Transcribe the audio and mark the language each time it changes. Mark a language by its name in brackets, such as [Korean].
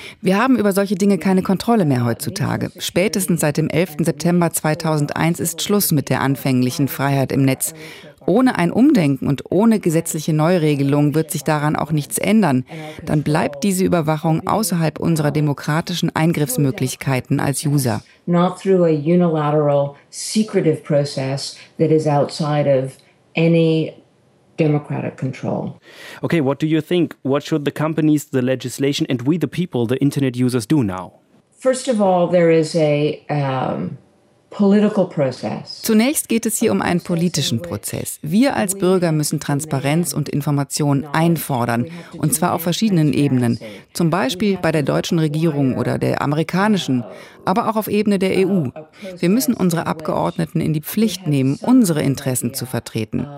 [German] Wir haben über solche Dinge keine Kontrolle mehr heutzutage. Spätestens seit dem 11. September 2001 ist Schluss mit der anfänglichen Freiheit im Netz. Ohne ein Umdenken und ohne gesetzliche Neuregelung wird sich daran auch nichts ändern. Dann bleibt diese Überwachung außerhalb unserer demokratischen Eingriffsmöglichkeiten als User. [English] Not through a unilateral secretive process that is outside of any democratic control. Okay, what do you think? What should the companies, the legislation and we the people, the internet users do now? First of all, there is a political process. [German] Zunächst geht es hier um einen politischen Prozess. Wir als Bürger müssen Transparenz und Informationen einfordern, und zwar auf verschiedenen Ebenen, zum Beispiel bei der deutschen Regierung oder der amerikanischen, aber auch auf Ebene der EU. Wir müssen unsere Abgeordneten in die Pflicht nehmen, unsere Interessen zu vertreten.